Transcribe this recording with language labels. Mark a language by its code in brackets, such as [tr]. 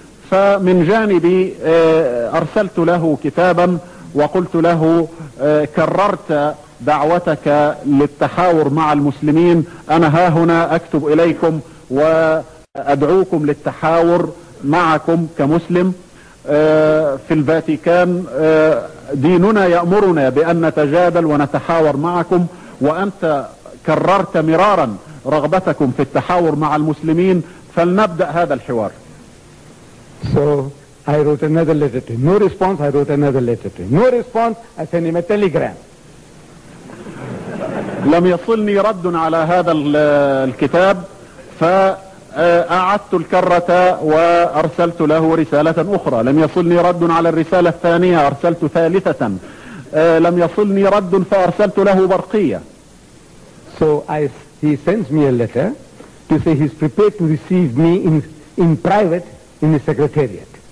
[ar] فمن جانبي أرسلت له كتابا وقلت له كررت دعوتك للتحاور مع المسلمين، أنا ها هنا أكتب إليكم وأدعوكم للتحاور معكم كمسلم في الفاتيكان، ديننا يأمرنا بأن نتجادل ونتحاور معكم، وأنت كررت مرارا رغبتكم في التحاور مع المسلمين، فلنبدأ هذا الحوار. [en] So I wrote another letter to him. No response. I wrote another letter to him. No response. I sent him a telegram. [ar] لم يصلني رد على هذا الكتاب، فأعدت الكرة وأرسلت له رسالة أخرى. لم يصلني رد على الرسالة الثانية، أرسلت ثالثة. لم يصلني رد فأرسلت له برقية. [en] So he sends me a letter to say he's prepared to receive me in private in the secretariat.